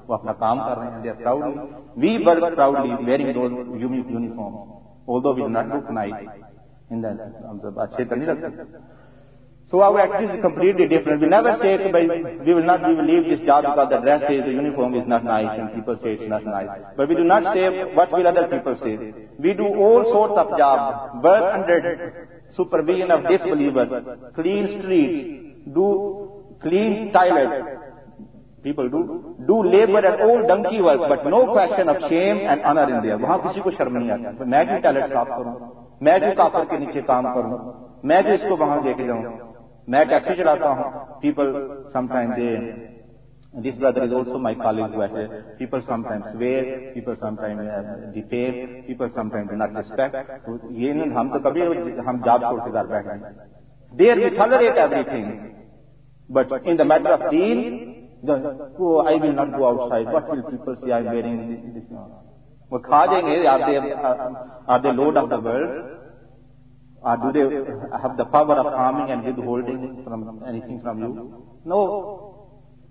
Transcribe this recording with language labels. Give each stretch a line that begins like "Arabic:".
Hindi: वो अपना काम कर रहे हैं,
English: they are proudly, we were proudly wearing those uniforms, although we not look nice in that,
Hindi: हम अच्छे तो नहीं लगते.
English: So our attitude is completely different. We never say, we will leave this job because the dress is, the uniform is not nice, and people say it's not nice. But we do not say, what will other people say? We do all sorts of jobs, work under supervision of disbelievers, clean streets, do clean toilets. People do labor at all donkey work, but no question of shame and honor in there.
Hindi: वहाँ किसी को शर्म नहीं आता. मैं भी toilet साफ करूँ, मैं भी काफर के नीचे काम करूँ, मैं भी इसको वहाँ लेके जाऊँ, मैं टैक्सी चलाता हूँ.
English: People sometimes they, this brother is also my colleague, who people sometimes swear, people sometimes defame, people sometimes do not respect.
Hindi: ये नहीं, हम तो कभी हम जाब छोड़ के घर बैठ गए.
English: There we tolerate everything, but in the matter of deen, I will not go outside. What will people say I am wearing this now? Well, khajeng is, are they lord of the world? Or do they have the power of harming and withholding from anything from you? No.